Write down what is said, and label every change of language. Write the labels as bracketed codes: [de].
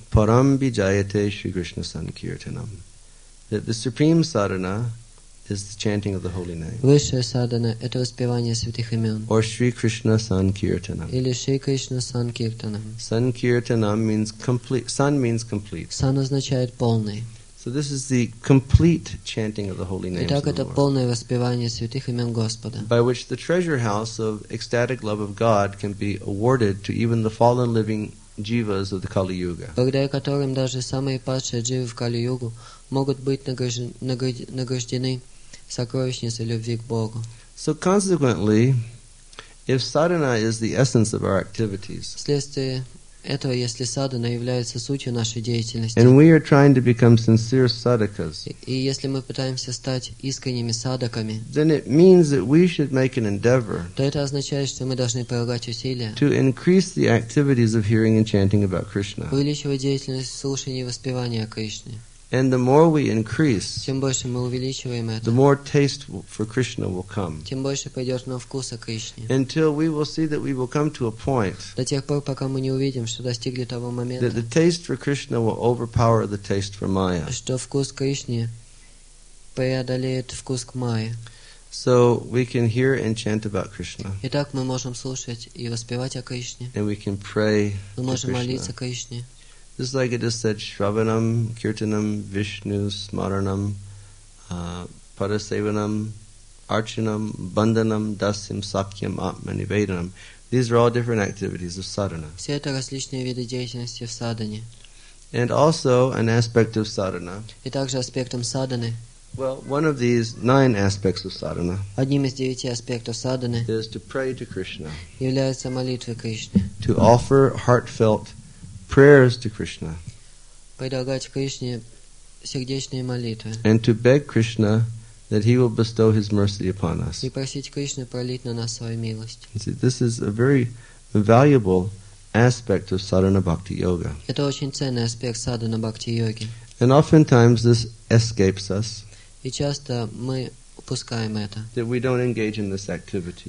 [sa] Param bijayate Shri Krishna Sankirtanam, [en] that the supreme sadhana is the chanting of the holy name. [ru] Высшая садхана – это воспевание святых имен. [en] Or Shri Krishna Sankirtanam. [ru] Или Шри Кришна Санкиртанам. [en] Sankirtanam means complete. San means complete. [ru] Сан означает полный. [en] So this is the complete chanting of the holy names. [ru] Итак, [en] of the Lord, [ru] полное воспевание святых имен Господа. [en] By which the treasure house of ecstatic love of God can be awarded to even the fallen living jivas of the Kali Yuga. [ru] Благодаря которым даже самые падшие дживы в Кали Югу могут быть награждены сокровищницей любви к Богу. [en] So consequently, if sadhana is the essence of our activities, [ru] вследствие этого, если садхана является сутью нашей деятельности, [en] and we are trying to become sincere sadhakas, [ru] и если мы пытаемся стать искренними садхаками, [en] then it means that we should make an endeavor, [ru] то это означает, что мы должны прилагать усилия, [en] to increase the activities of hearing and chanting about Krishna, [ru] увеличивать деятельность слушания и воспевания Кришны. [en] And the more we increase, [ru] тем больше мы увеличиваем это, [en] the more taste for Krishna will come, [ru] тем больше придет нам вкуса Кришне, [en] until we will see that we will come to a point, [ru] до тех пор, пока мы не увидим, что достигли того момента, [en] that the taste for Krishna will overpower the taste for Maya, [ru] что вкус Кришне преодолеет вкус к Майе. [en] So we can hear and chant about Krishna. [ru] Итак, мы можем слушать и воспевать о Кришне. [en] And we can pray. [ru] Мы можем молиться Кришне. [en] Just like it is said, [sa] Shravanam, Kirtanam, Vishnu, Smaranam, Parasevanam, Archanam, Bandanam, Dasyam, Sakyam, Atmani, Vedanam. [en] These are all different activities of sadhana. [ru] Все это различные виды деятельности в садхане. [en] And also an aspect of sadhana. [ru] И также аспектом садханы. [en] Well, one of these nine aspects of sadhana, [ru] одним из девяти аспектов садхана, [en] is to pray to Krishna. [ru] Является молитвой Кришне. [en] To offer heartfelt prayers to Krishna. [ru] Предлагать Кришне сердечные молитвы. [en] And to beg Krishna that he will bestow his mercy upon us. [ru] И просить Кришну пролить на нас свою милость. [en] See, this is a very valuable aspect of sadhana bhakti yoga. [ru] Это очень ценный аспект садхана бхакти йоги. [en] And oftentimes this escapes us. [ru] И часто мы упускаем это. [en] That we don't engage in this activity.